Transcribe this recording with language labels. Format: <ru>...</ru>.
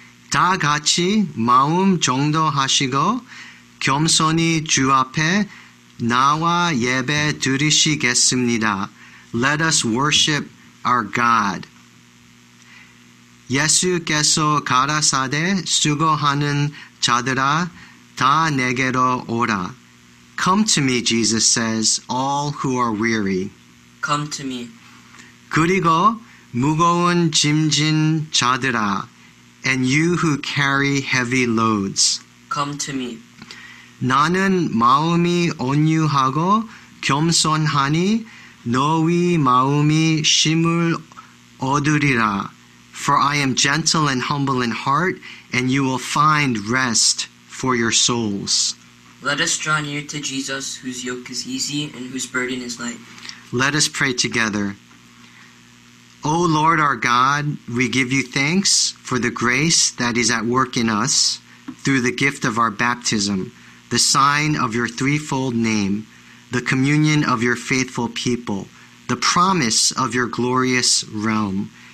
<ko>다 같이 마음 정도하시고 겸손히 주 앞에 나와 예배 드리시겠습니다.</ko> <en>Let us worship our God.</en> <ko>예수께서 가라사대 수고하는 자들아 다 내게로 오라.</ko> <en>Come to me, Jesus says, all who are weary. Come to me.</en> <ko>그리고 무거운 짐진 자들아,</ko> <en>and you who carry heavy loads. Come to me.</en> <ko>나는 마음이 온유하고 겸손하니 너희 마음이 쉼을 얻으리라.</ko> <en>For I am gentle and humble in heart, and you will find rest for your souls. Let us draw near to Jesus, whose yoke is easy and whose burden is light. Let us pray together. O Lord our God, we give you thanks for the grace that is at work in us through the gift of our baptism, the sign of your threefold name, the communion of your faithful people, the promise of your glorious realm.</en>